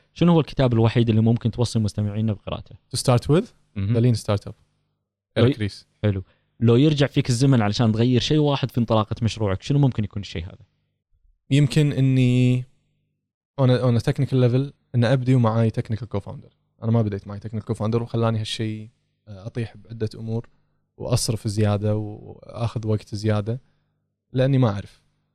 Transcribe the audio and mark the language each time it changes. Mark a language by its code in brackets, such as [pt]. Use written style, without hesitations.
[ar] شنو هو الكتاب الوحيد اللي ممكن توصي مستمعينا بقراءته؟ [en] To start with The Lean Startup, Eric Ries. [ar] حلو. لو يرجع فيك الزمن علشان تغير شيء واحد في انطلاقة مشروعك, شنو ممكن يكون الشيء هذا؟ يمكن اني [en] on a technical level [ar] ان ابدي ومعاي [en] technical co-founder. [ar] انا ما بديت معي [en] technical co-founder [ar] وخلاني هالشيء اطيح بعدة امور واصرف زيادة واخذ وقت زيادة لاني ما اعرف.